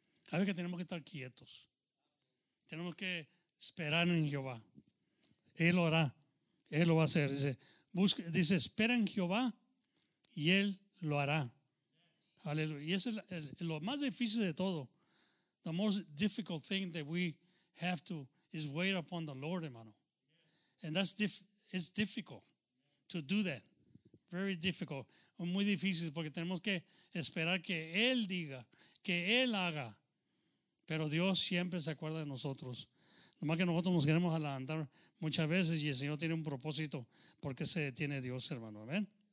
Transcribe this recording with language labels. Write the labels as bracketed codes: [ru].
[es] A ver que tenemos que estar quietos. Tenemos que esperar en Jehová. Él lo hará. Él lo va a hacer. Dice, espera en Jehová y Él lo hará. Aleluya. Y eso es lo más difícil de todo. [en] The most difficult thing that we have to is wait upon the Lord, hermano. And that's it's difficult to do that. Very difficult. [es] Muy difícil porque tenemos que esperar que Él diga, que Él haga. Pero Dios siempre se acuerda de nosotros. Nomás que nosotros nos queremos adelantar muchas veces y el Señor tiene un propósito porque se detiene Dios, hermano. Amén.